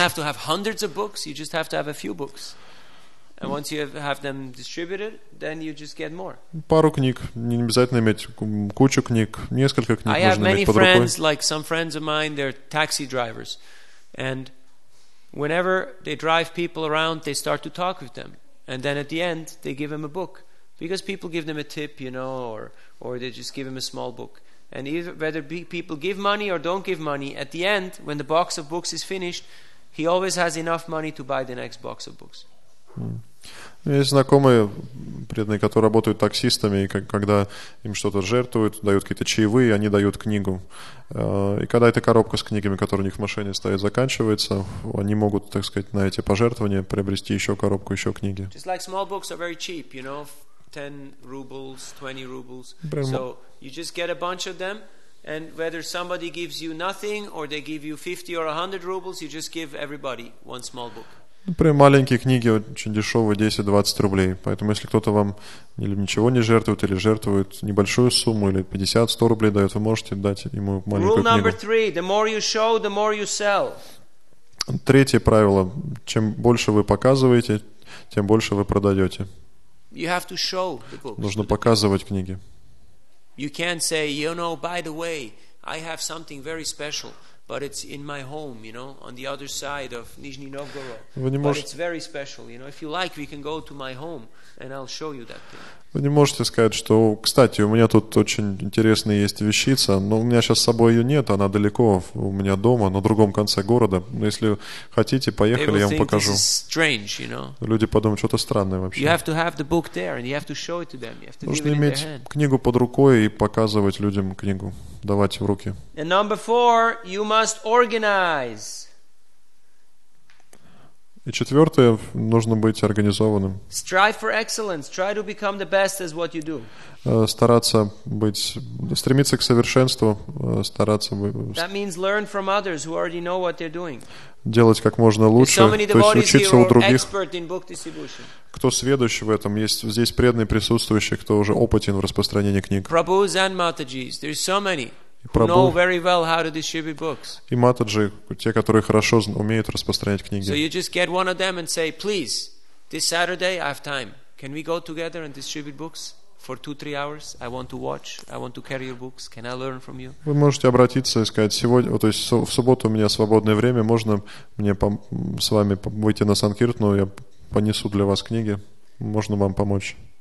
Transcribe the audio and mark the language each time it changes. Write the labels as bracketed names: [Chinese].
[English] You don't have to have hundreds of books, you just have to have a few books. And once you have them distributed, then you just get more. [Russian] Пару книг. Не обязательно иметь кучу книг, несколько книг нужно иметь под рукой. [English] I have many friends, like some friends of mine, they're taxi drivers. And whenever they drive people around, they start to talk with them. And then at the end, they give them a book. Because people give them a tip, you know, or they just give them a small book. And either, whether people give money or don't give money, at the end, when the box of books is finished, he always has enough money to buy the next box of books. [Russian] Есть знакомые преданные, которые работают таксистами, и когда им что-то жертвуют, дают какие-то чаевые, они дают книгу. И когда эта коробка с книгами, которая у них в машине стоит, заканчивается, они могут, так сказать, на эти пожертвования приобрести еще коробку, еще книги. [English] Just like small books are very cheap, you know, 10 rubles, 20 rubles. [Russian] Прямо. [English] So you just get a bunch of them, and whether somebody gives you nothing or they give you 50 or 100 rubles, you just give everybody one small book. [Russian] Например, маленькие книги очень дешевые, 10-20 рублей. Поэтому если кто-то вам или ничего не жертвует, или жертвует небольшую сумму, или 50-100 рублей дает, вы можете дать ему маленькую книгу. [English] Rule number three. The more you show, the more you sell. [Russian] Третье правило. Чем больше вы показываете, тем больше вы продаете. [English] You have to show the books. [Russian] Нужно показывать книги. [English] You can't say, you know, by the way, I have something very special. But it's in my home, you know, on the other side of Nizhny Novgorod. But it's very special, you know. If you like, we can go to my home, and I'll show you that thing. [Russian] Вы не можете сказать, что, кстати, у меня тут очень интересная есть вещица, но у меня сейчас с собой ее нет, она далеко, у меня дома, на другом конце города. Но если хотите, поехали, я вам покажу. [English] Strange, you know? [Russian] Люди подумают, что-то странное вообще. [English] You have to have the book there, and you have to show it to them. You have to [Russian] нужно иметь книгу под рукой и показывать людям книгу, давать в руки. [English] And number four, you must organize. [Russian] И четвертое, нужно быть организованным. [English] Strive for excellence. Try to become the best at what you do. [Russian] Стараться быть, стремиться к совершенству, стараться. [English] That means learn from others who already know what they're doing. [Russian] Делать как можно лучше, то есть учиться у других. [English] Expert in book distribution. [Russian] Кто сведущий в этом? Есть здесь преданные присутствующие, кто уже опытен в распространении книг. [English] Prabhus and Matajis. There's so many. Прабху [Russian] и Матаджи, те, которые хорошо умеют распространять книги. [English] So you just get one of them and say, please, this Saturday I have time. Can we go together and distribute books for 2-3 hours? I want to watch. I want to carry your books. Can I learn from you? [Russian] Вы можете обратиться и сказать сегодня, то есть в субботу у меня свободное время, можно мне с вами выйти на Санкиртну, я понесу для вас книги, можно вам помочь.